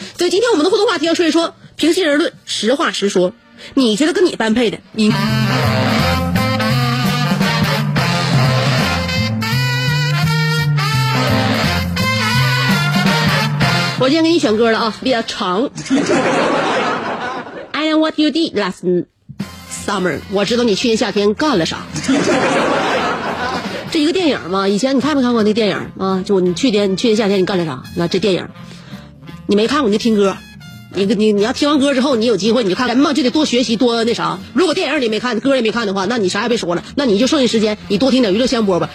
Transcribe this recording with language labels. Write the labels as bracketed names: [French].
[Chinese] 所以今天我们的互动话题要说一说，平心而论，实话实说，你觉得跟你般配的你我今天给你选歌了啊，比较长。 [English] I know what you did last summer. [Chinese] 我知道你去年夏天干了啥。这一个电影嘛，以前你看没看过那电影啊？就你去年夏天你干了啥？那这电影，你没看过你就听歌。你要听完歌之后，你有机会你就看。人嘛就得多学习多那啥。如果电影你没看，歌也没看的话，那你啥也别说了。那你就剩下时间，你多听点娱乐香饽饽吧。